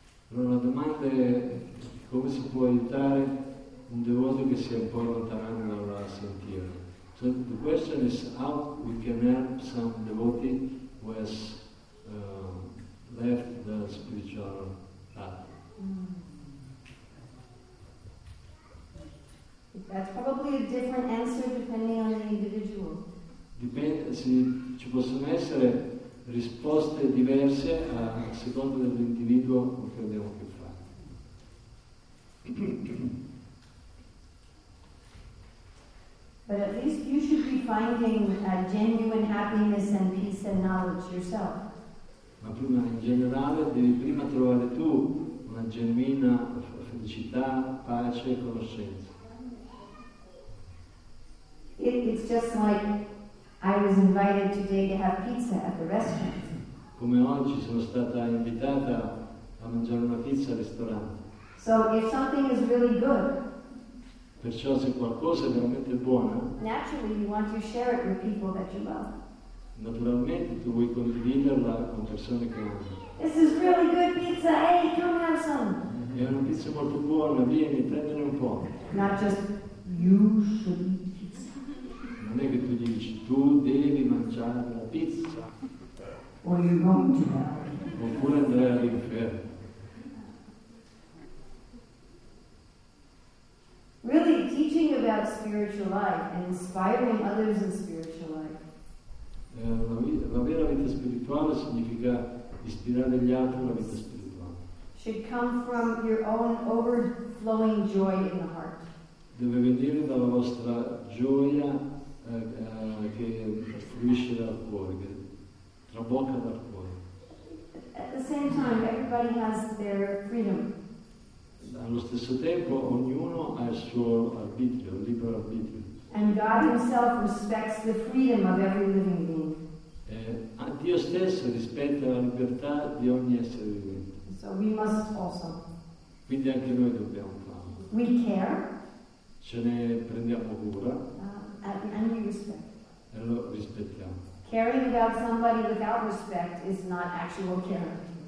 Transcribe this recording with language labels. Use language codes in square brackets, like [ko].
[it] Allora la domanda è come si può aiutare un devoto che si è un po' allontanato dalla sentiera. [en] So the question is how we can help some devotee who has left the spiritual path. That's probably a different answer depending on the individual. [it] Dipende, ci possono essere risposte diverse a seconda dell'individuo che abbiamo che fare. [en] But at least you should be finding a genuine happiness and peace and knowledge yourself. [it] Ma prima in generale devi prima trovare tu una genuina felicità, pace e conoscenza. [en] It's just like I was invited today to have pizza at the restaurant. [it] Come oggi sono stata invitata a mangiare una pizza al ristorante. [en] So if something is really good, [it] perciò se qualcosa è veramente buono, [en] naturally you want to share it with people that you love. [it] Naturalmente tu vuoi condividerla con persone che ami. [en] This is really good pizza. Hey, come have some. [it] È una pizza molto buona. Vieni, prendine un po'. [en] Not just you should eat pizza. [it] Non è che tu dici tu devi mangiare la pizza. [en] Or you want to have. [it] Oppure andrai all'inferno. [en] Really teaching about spiritual life and inspiring others in spiritual life. [it] La vera vita spirituale significa ispirare gli altri alla vita spirituale. [en] Should come from your own overflowing joy in the heart. [it] Deve venire dalla vostra gioia che fluisce dal cuore, che trabocca dal cuore. [en] At the same time, everybody has their freedom. [it] Allo stesso tempo ognuno ha il suo arbitrio, il libero arbitrio. [en] And God himself respects the freedom of every living being. [it] A Dio stesso rispetta la libertà di ogni essere vivente. [en] So we must also. [it] Quindi anche noi dobbiamo farlo. [en] We care. [it] Ce ne prendiamo cura. [en] And we respect. [it] E lo rispettiamo. [en] Caring about somebody without respect is not actual caring.